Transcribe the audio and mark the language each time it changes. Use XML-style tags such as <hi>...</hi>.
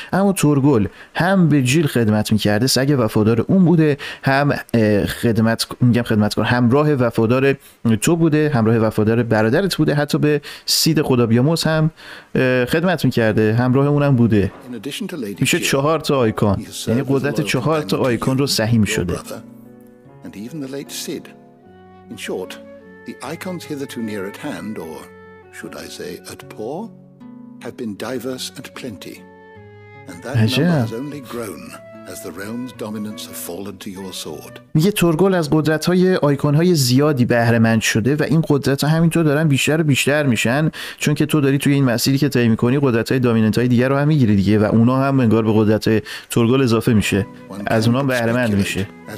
<fa>اما تورگل هم به جیل خدمت میکرده، سگ وفادار اون بوده، هم خدمت میگم خدمتکار، همراه وفادار تو بوده، همراه وفادار برادرت بوده، حتی به سید خدا بیاموز هم خدمت میکرده، همراه اونم بوده. میشه 4 تا آیکون، یعنی قدرت 4 تا آیکون رو سهیم شده.</fa> <en>And even the late Sid. In short, the icons hitherto near at hand, or should I say at paw, have been diverse and plenty. And that number has only grown as the realm's dominance has fallen to your sword.</en> <fa>میگه تورگل از قدرت‌های آیکون‌های زیادی بهره‌مند شده و این قدرت‌ها همینطور دارن بیشتر و بیشتر میشن، چون که تو داری توی این مسیری که طی می‌کنی قدرت‌های دامیننت‌های دیگر رو هم می‌گیری دیگه، و اونا هم انگار به قدرت تورگل اضافه میشه، از اونا بهره‌مند میشه.</fa>